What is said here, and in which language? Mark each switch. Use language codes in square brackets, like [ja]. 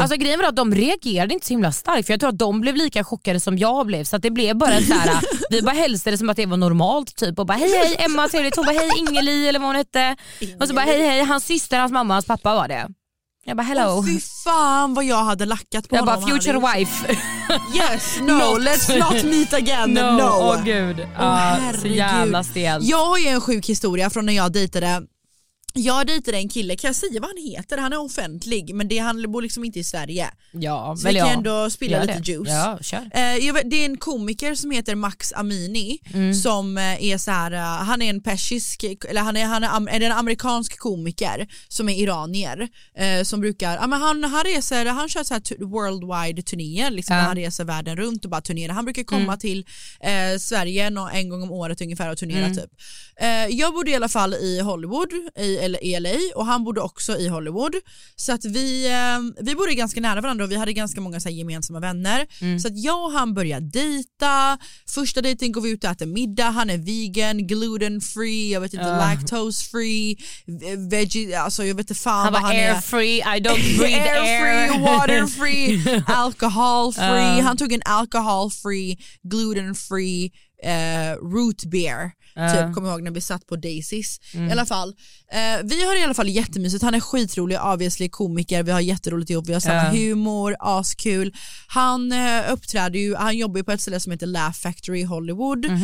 [sv] Alltså grejen var att de reagerade inte så himla starkt, för jag tror att de blev lika chockade som jag blev. Så att det blev bara så här. Vi bara hälsade som att det var normalt typ. Och bara, hej hej Emma, trevligt. Hon bara, hej Ingeli, eller vad hon hette. Och så bara, hej hej, hans syster, hans mamma, hans pappa var det. Jag bara, hello. Fy fan vad jag hade lackat på jag honom. Jag bara, future här, wife. [en] Yes, no, let's not meet again. No, åh no. [sv] Oh, gud. Herregud. Så jävla stel. Jag har ju en sjuk historia från när jag dejtade. Jag dejtade en kille, kan jag säga vad han heter? Han är offentlig, men det, han bor liksom inte i Sverige. Ja, så jag kan ja, ändå spilla lite juice. Ja, kör. Jag vet, det är en komiker som heter Max Amini, som är så här, han är en persisk, eller han är en amerikansk komiker som är iranier, som brukar, men han reser, han kör så här worldwide turnéer, liksom han reser världen runt och bara turnerar. Han brukar komma till Sverige en gång om året ungefär och turnera typ. Jag bodde i alla fall i Hollywood, i LA, och han bodde också i Hollywood, så att vi bodde ganska nära varandra och vi hade ganska många så här gemensamma vänner, så att jag och han började dejta. Första dejten går vi ut och äter middag. Han är vegan, [en] gluten free, [sv] jag vet inte, [en] lactose free, [sv] veggie, alltså jag vet inte fan han vad han [en] air [sv] är [en] free, I don't breathe air, air free, water free, alcohol free. [sv] Han tog en [en] alcohol free, gluten free root beer. [sv] Typ, kommer ihåg när vi satt på Daisies. I alla fall, vi har i alla fall jättemysigt. Han är skitrolig, obviously komiker. Vi har jätteroligt jobb, vi har samma humor, askul. Han uppträder ju, han jobbar ju på ett ställe som heter Laugh Factory i Hollywood.